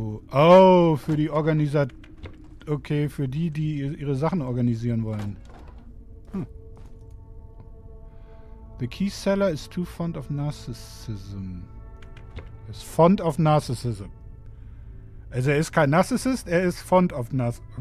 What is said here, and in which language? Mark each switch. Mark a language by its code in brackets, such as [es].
[de] Oh, für die Organisat. Okay, für die, die ihre Sachen organisieren wollen. [en] The key seller is too fond of narcissism. Is fond of narcissism. [de] Also er ist kein Narcissist, er ist [en] fond of narcissism.